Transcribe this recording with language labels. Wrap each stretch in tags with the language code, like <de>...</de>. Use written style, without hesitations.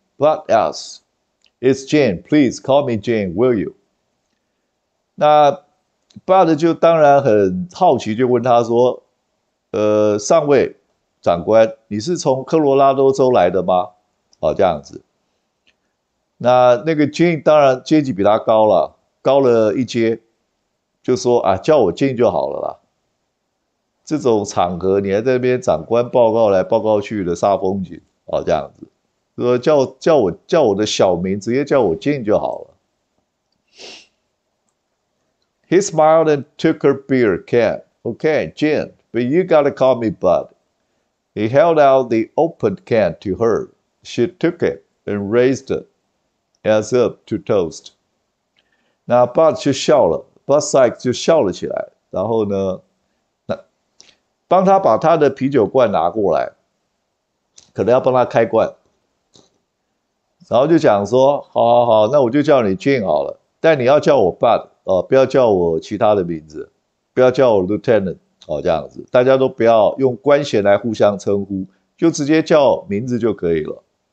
<en>What else? It's Jane. Please call me Jane, will you? 那。</en> <zh>巴德就当然很好奇，就问他说：“上尉长官，你是从科罗拉多州来的吗？” 哦，这样子。那个 Jane 当然阶级比他高了，高了一阶，就说：“啊，叫我 Jane 就好了啦。 ”这种场合，你还在那边长官报告来报告去的煞风景哦，这样子，说叫我的小名，直接叫我 Jane 就好了。</zh> <en>He smiled and took her beer can. Okay, Jane, but you gotta call me Bud. He held out the opened can to her. She took it and raised it as up to toast.</en> <zh>那 Bud 就笑了，Bud Sykes 就笑了起来。然后呢，帮他把他的啤酒罐拿过来，可能要帮他开罐。然后就讲说：“好好好，那我就叫你 Jane 好了，但你要叫我 Bud。” 哦，不要叫我其他的名字，不要叫我 Lieutenant，哦，这样子，大家都不要用官衔来互相称呼，就直接叫名字就可以了。</zh>